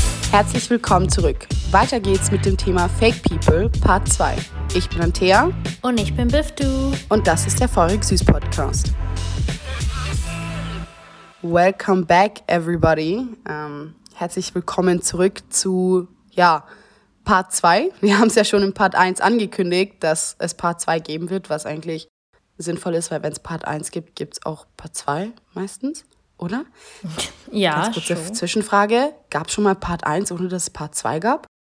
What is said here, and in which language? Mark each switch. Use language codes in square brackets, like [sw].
[de] Herzlich willkommen zurück. Weiter geht's mit dem Thema Fake People Part 2. Ich bin Anthea. Und ich bin Biftu. Und das ist der Feurig Süß Podcast. [en] Welcome back, everybody. [de] Herzlich willkommen zurück zu, ja, Part 2. Wir haben es ja schon in Part 1 angekündigt, dass es Part 2 geben wird, was eigentlich sinnvoll ist, weil wenn es Part 1 gibt, gibt es auch Part 2 meistens. Oder? Ja, ganz kurze Zwischenfrage. Gab es schon mal Part 1, ohne dass es Part 2 gab?